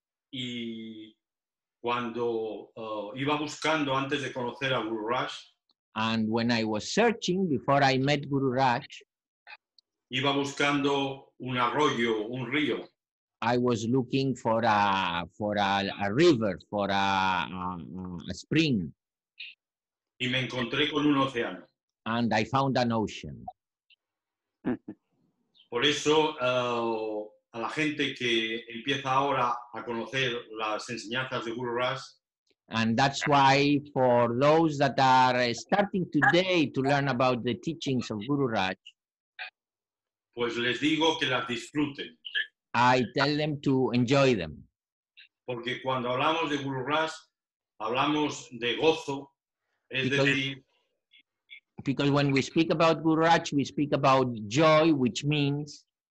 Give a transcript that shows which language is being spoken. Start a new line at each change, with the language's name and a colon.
Spanish: Y cuando iba buscando antes de conocer a Guru Raj.
English: And when I was searching before I met Guru Raj.
Spanish: Iba buscando un arroyo, un río.
English: I was looking for a river, for a spring.
Spanish: Y me encontré con un océano.
English: And I found an ocean.
Spanish: Por eso, a la gente que empieza ahora a conocer las enseñanzas de Guru Raj.
English: And that's why for those that are starting today to learn about the teachings of Guru Raj.
Spanish: Pues les digo que las disfruten.
English: I tell them to enjoy them.
Spanish: Porque cuando hablamos de Guru Raj, hablamos de gozo.
English: Because when we speak about Guru Raj, we speak about joy, which means